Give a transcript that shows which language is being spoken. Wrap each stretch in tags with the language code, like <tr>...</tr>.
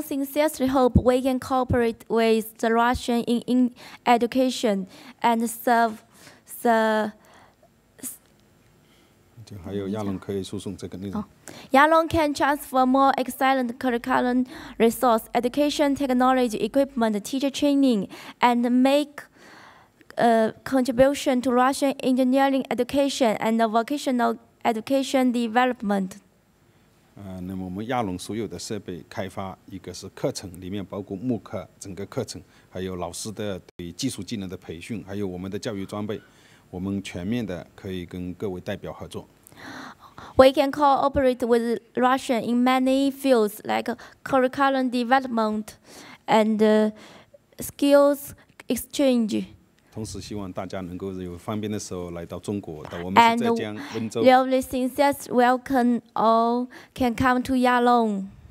<en>sincerely hope we can cooperate with the Russian in education and serve the.</en> <zh>还有亚龙可以输送这个内容。亚龙</zh> <en>can transfer more excellent curriculum resource, education technology equipment, teacher training, and make contribution to Russian engineering education and vocational education development.</en> <zh>那么我们亚龙所有的设备开发，一个是课程里面包括慕课整个课程，还有老师的对技术技能的培训，还有我们的教育装备，我们全面的可以跟各位代表合作。</zh> <en>We can cooperate with Russia in many fields like curriculum development and skills exchange.</en> <zh>同时希望大家能够有方便的时候来到中国，到我们浙江温州。</zh> <en>And we really welcome all can come to Yalong.</en>